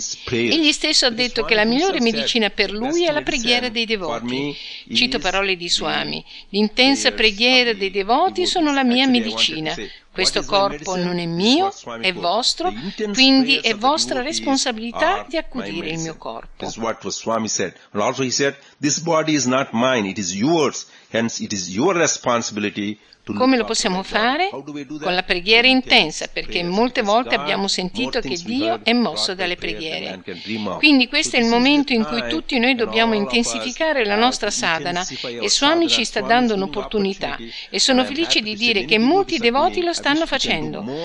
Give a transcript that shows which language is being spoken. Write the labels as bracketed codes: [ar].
[it] Egli stesso ha detto che la migliore medicina per lui è la preghiera dei devoti. Cito parole di Swami: «L'intensa preghiera dei devoti sono la mia medicina. Questo corpo non è mio, è vostro, quindi è vostra responsabilità di accudire il mio corpo». [en] This is what Swami said. And also he said, this body is not mine, it is yours. Hence it is your responsibility. [it] Come lo possiamo fare? Con la preghiera intensa, perché molte volte abbiamo sentito che Dio è mosso dalle preghiere. Quindi questo è il momento in cui tutti noi dobbiamo intensificare la nostra sadhana e Swami ci sta dando un'opportunità. E sono felice di dire che molti devoti lo stanno facendo.